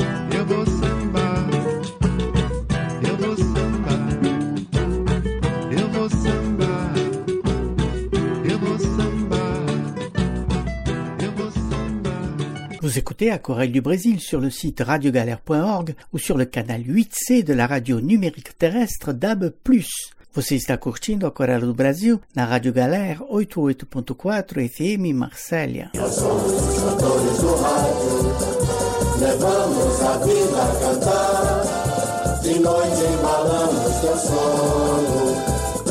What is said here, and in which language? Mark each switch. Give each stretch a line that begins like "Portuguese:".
Portuguese: eu vou sambar, eu vou sambar, eu vou sambar, eu vou sambar, eu vou sambar.
French: Vous écoutez Aquarelle du Brésil sur le site radiogalère.org ou sur le canal 8C de la radio numérique terrestre DAB+.
Portuguese: Você está curtindo Aquarela do Brasil na Rádio Galera 88.4 FM Marcélia. Levamos a vida a cantar. De noite embalamos teu sono.